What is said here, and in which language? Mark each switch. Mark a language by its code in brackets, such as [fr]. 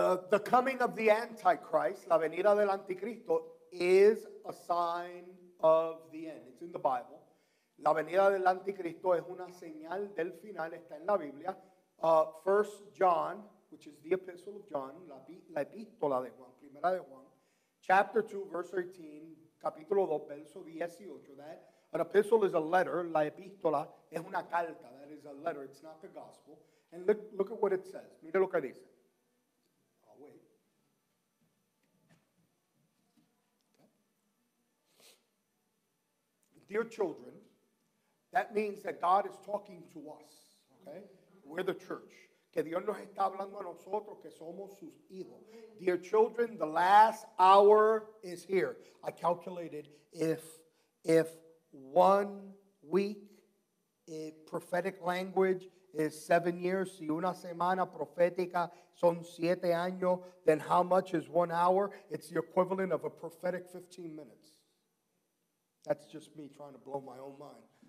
[en] The coming of the Antichrist, [es] la venida del anticristo, [en] is a sign of the end. It's in the Bible. [es] La venida del anticristo es una señal del final, está en la Biblia. [en] First John, which is the epistle of John, [es] la epístola de Juan, [en] primera de Juan, chapter 2, verse 18, [es] capítulo 2, verso 18, [en] that an epistle is a letter, [es] la epístola es una carta, [en] that is a letter, it's not the gospel. And look at what it says. [es] Mire lo que dice. [en] Dear children, that means that God is talking to us, okay? We're the church. [es] Que Dios nos está hablando a nosotros, que somos sus hijos. [en] Dear children, the last hour is here. I calculated if 1 week prophetic language is 7 years, [es] si una semana profética son 7 años, [en] then how much is 1 hour? It's the equivalent of a prophetic 15 minutes. That's just me trying to blow my own mind.